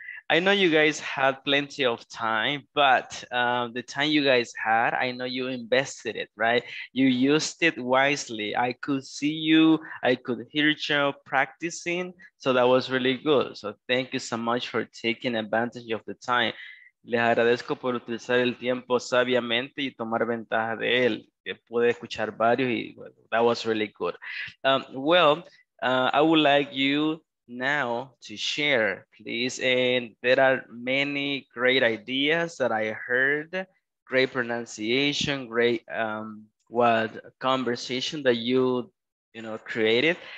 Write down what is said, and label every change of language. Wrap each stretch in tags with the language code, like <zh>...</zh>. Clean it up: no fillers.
<en>I know you guys had plenty of time, but the time you guys had, I know you invested it, right? You used it wisely. I could see you. I could hear you practicing. So that was really good. So thank you so much for taking advantage of the time.</en> <es>Les agradezco por utilizar el tiempo sabiamente y tomar ventaja de él. Pude escuchar varios y</es> <en>well, that was really good. I would like you now to share, please. And there are many great ideas that I heard, great pronunciation, great what conversation that you created.</en>